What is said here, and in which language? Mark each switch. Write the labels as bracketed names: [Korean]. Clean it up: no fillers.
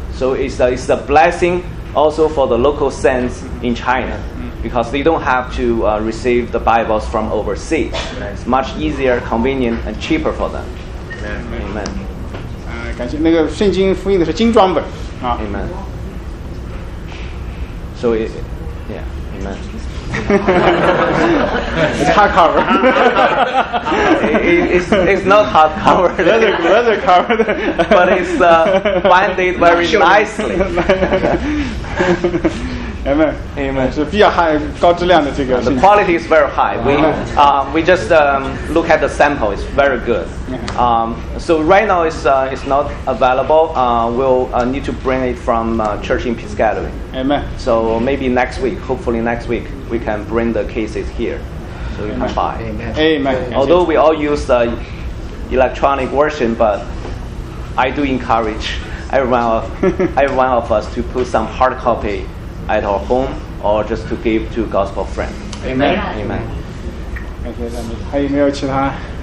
[English] So it's a blessing also for the local saints in China, because they don't have to receive the Bibles from overseas. It's much easier, convenient, and cheaper for them. Amen. Amen. [Chinese] 感谢那个圣经复印的是精装本。 [English] Amen. So, yeah, amen. It's hard cover. it's not hard cover. Leather cover. But it's binded very nicely. Amen. Amen. [Chinese] 是比较high高质量的这个。 [English] The quality is very high. We just look at the sample. It's very good. So right now it's not available. We'll need to bring it from church in Piscataway. Amen. So maybe next week. Hopefully next week we can bring the cases here, so you can buy. Amen. Amen. Although we all use the electronic version, but I do encourage everyone of us to put some hard copy. At our home, or just to give to gospel friend. Amen. Amen. [Chinese] 感谢赞美。还有没有其他